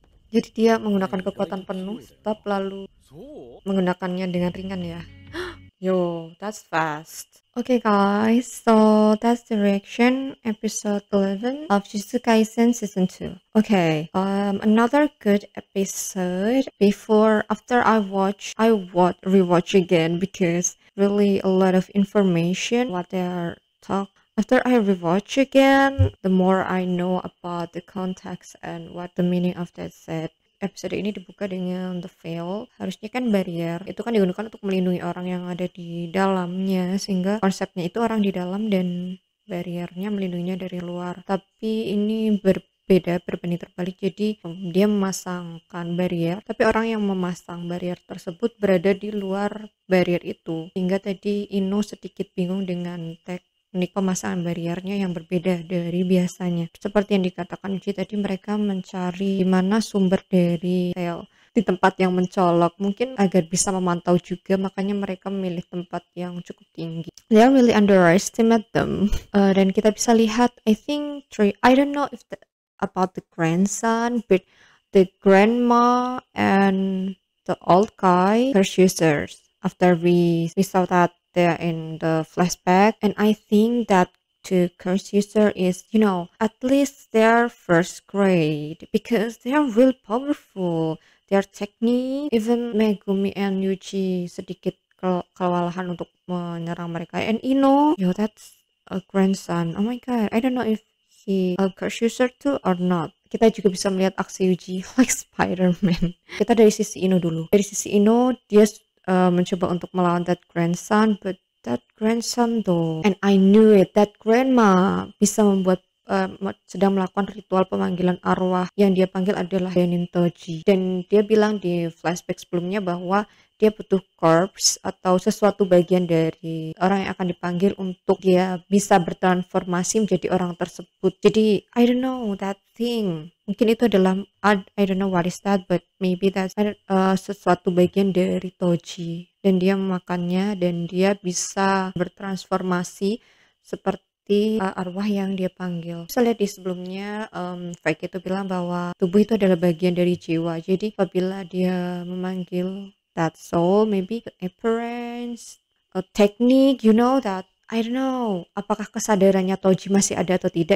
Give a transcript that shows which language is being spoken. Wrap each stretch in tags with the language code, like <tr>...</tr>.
<id>Jadi dia menggunakan kekuatan penuh, stop, lalu menggunakannya dengan ringan ya.</id> <en>Yo, that's fast. Okay guys, so that's the reaction episode 11 of Jujutsu Kaisen season 2. Okay, another good episode. After I rewatch again because really a lot of information what they are talking. After I rewatch again, the more I know about the context and what the meaning of that said.</en> <id>Episode ini dibuka dengan the veil. Harusnya kan barrier itu kan digunakan untuk melindungi orang yang ada di dalamnya, sehingga konsepnya itu orang di dalam dan barriernya melindunginya dari luar. Tapi ini berbeda, berbanding terbalik. Jadi dia memasangkan barrier, tapi orang yang memasang barrier tersebut berada di luar barrier itu. Sehingga tadi Ino sedikit bingung dengan tag. Ini pemasangan barriernya yang berbeda dari biasanya. Seperti yang dikatakan Uji tadi, mereka mencari di mana sumber dari tail di tempat yang mencolok. Mungkin agar bisa memantau juga, makanya mereka memilih tempat yang cukup tinggi.</id> <en>They really underestimate them.</en> <id>Dan kita bisa lihat,</id> <en>I think three. I don't know if about the grandson, but the grandma and the old guy, her users. After we saw that. They're in the flashback, and I think that to curse user is, you know, at least they're first grade because they are really powerful. Their technique, even</en> <id>Megumi and Yuji sedikit kewalahan untuk menyerang mereka.</id> <en>And Ino, yo, that's a grandson. Oh my god, I don't know if he a curse user too or not.</en> <id>Kita juga bisa melihat aksi Yuji like Spider-Man. Kita dari sisi Ino dulu. Dari sisi Ino, dia mencoba untuk melawan</id> <en>that grandson, but that grandson though, and I knew it, that grandma</en> <id>bisa membuat sedang melakukan ritual pemanggilan arwah yang dia panggil adalah Benin Toji. Dan dia bilang di flashback sebelumnya bahwa dia butuh corpse atau sesuatu bagian dari orang yang akan dipanggil untuk dia bisa bertransformasi menjadi orang tersebut. Jadi,</id> <en>I don't know that thing.</en> <id>Mungkin itu adalah,</id> <en>I don't know what is that, but maybe that's</en> <id>sesuatu bagian dari</id> <en>Toji.</en> <id>Dan dia memakannya dan dia bisa bertransformasi seperti arwah yang dia panggil. Saya lihat di sebelumnya, Faik itu bilang bahwa tubuh itu adalah bagian dari jiwa. Jadi, apabila dia memanggil</id> <en>that soul, maybe appearance, a technique, you know that, I don't know,</en> <id>apakah kesadarannya Toji masih ada atau tidak.</id>